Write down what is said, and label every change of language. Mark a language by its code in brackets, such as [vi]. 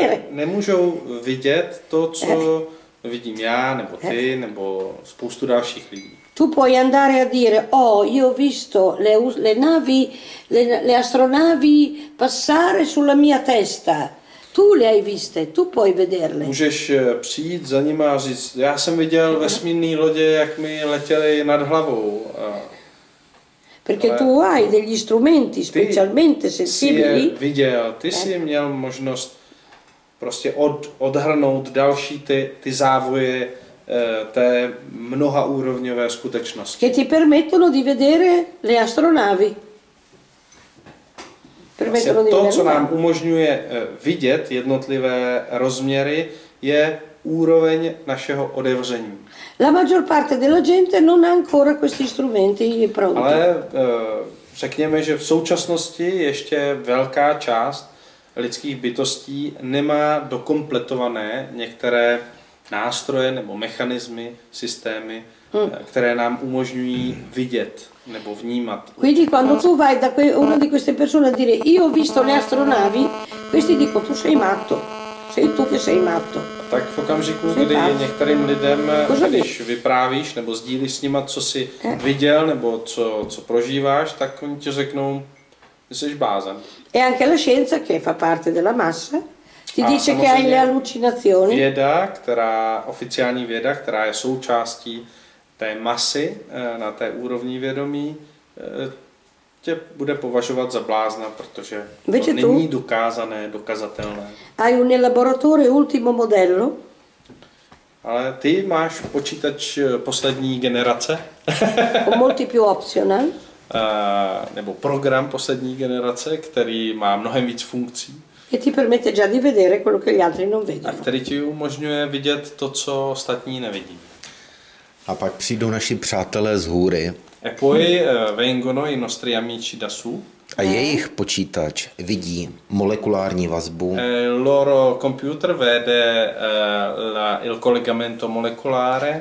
[cs] Nemůžou vidět to, co vidím já, nebo ty, nebo spoustu dalších lidí. [it] Tu puoi andare a dire, oh, io ho visto le navi, le astronavi passare sulla mia testa. Tu le hai viste, tu puoi vederle. [cs] Můžeš přijít za nima a říct, já jsem viděl vesmírné lodě, jak mi letěly nad hlavou. [it] Perché tu hai degli strumenti specialmente sensibili. [cs] Viděl, ty jsi měl možnost prostě odhrnout další ty závoje té mnohaúrovňové skutečnosti. [it] Che ti permettono di vedere le astronavi. [cs] To, co nám umožňuje vidět jednotlivé rozměry, je úroveň našeho odevření. [it] La maggior parte della gente non ha ancora questi strumenti pronti. [cs] Ale řekněme, že v současnosti ještě velká část lidských bytostí nemá dokompletované některé nástroje nebo mechanismy, systémy, které nám umožňují vidět nebo vnímat. [it] Quindi quando tu vai da una di queste persone a dire io ho visto le astronavi, questi dico tu sei matto. Sei tu che sei matto. [cs] Tak v okamžiku, kdy některým lidem, když vyprávíš nebo sdílíš s nima, co jsi viděl nebo co prožíváš, tak oni ti řeknou, že jsi blázen. [it] E anche la scienza che fa parte della massa ti dice che hai le allucinazioni. [cs] Věda, která oficiální věda, která je součástí té masy na té úrovni vědomí, tě bude považovat za blázna, protože Vece to není dokázané, dokazatelné. [it] Hai un laboratorio ultimo modello? [cs] Ale ty máš počítač poslední generace? Multipu optional. Nebo program poslední generace, který má mnohem víc funkcí. [it] Che ti permette già di vedere quello che gli altri non vedono. [cs] A který ti umožňuje vidět to, co ostatní nevidí. A pak přijdou naši přátelé z hůry. [it] E poi vengono i nostri amici da su. [cs] A jejich počítač vidí molekulární vazbu. [it] Loro computer vede il collegamento molecolare.